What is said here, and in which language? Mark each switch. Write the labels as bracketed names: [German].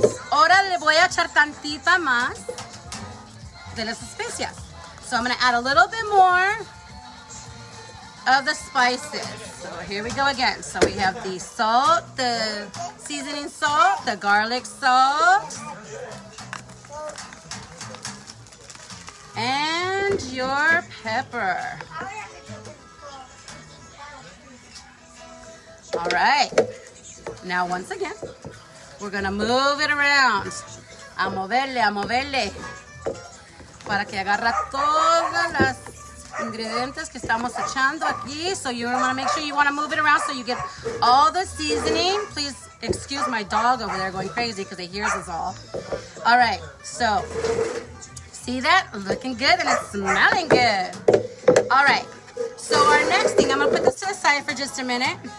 [Spanish] Ahora le voy a echar tantita más de las especias. [English] So I'm gonna add a little bit more of the spices. So here we go again. So we have the salt, the seasoning salt, the garlic salt, and your pepper. All right. Now once again, we're gonna move it around. [Spanish] A moverle, a moverle. Para que agarra todas las ingredientes que estamos echando aquí. [English] So you wanna make sure you wanna move it around so you get all the seasoning. Please excuse my dog over there going crazy because he hears us all. All right, so see that? Looking good and it's smelling good. All right, so our next thing, I'm gonna put this to the side for just a minute.